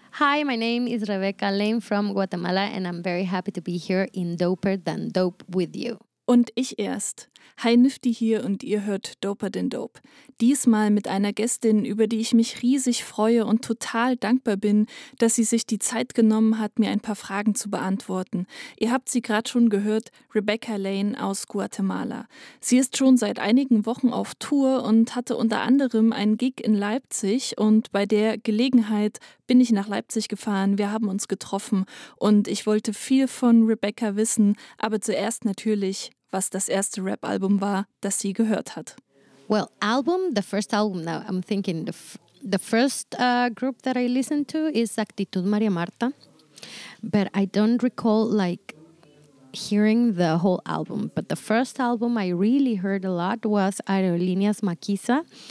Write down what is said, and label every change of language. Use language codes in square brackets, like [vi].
[en] Hi, my name is Rebecca Lane from Guatemala, and I'm very happy to be here in Doper Than Dope with you. [de] Und ich erst. Hi Nifty hier und ihr hört Doper den Dope. Diesmal mit einer Gästin, über die ich mich riesig freue und total dankbar bin, dass sie sich die Zeit genommen hat, mir ein paar Fragen zu beantworten. Ihr habt sie gerade schon gehört, Rebecca Lane aus Guatemala. Sie ist schon seit einigen Wochen auf Tour und hatte unter anderem einen Gig in Leipzig und bei der Gelegenheit bin ich nach Leipzig gefahren, wir haben uns getroffen und ich wollte viel von Rebecca wissen, aber zuerst natürlich, was das erste Rap-Album war, das sie gehört hat. [en] Well, album, the first album, now I'm thinking the first group that I listened to is Actitud María Marta, but I don't recall like hearing the whole album, but the first album I really heard a lot was Aerolíneas Maquisa.